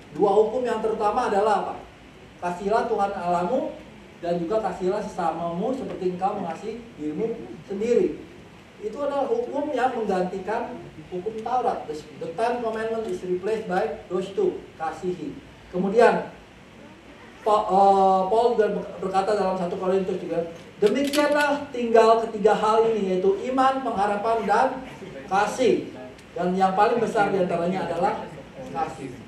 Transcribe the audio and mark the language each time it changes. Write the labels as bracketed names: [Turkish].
[Indonesian] Dua hukum yang terutama adalah apa? Kasihilah Tuhan Allahmu dan juga kasihilah sesamamu seperti engkau mengasihi dirimu sendiri. Itu adalah hukum yang menggantikan hukum Taurat. [English] The Ten Commandments is replaced by those two, [Indonesian] kasihi. Kemudian Paul berkata dalam 1 Korintus juga, demikianlah tinggal ketiga hal ini, yaitu iman, pengharapan, dan kasih. Dan yang paling besar diantaranya adalah kasih.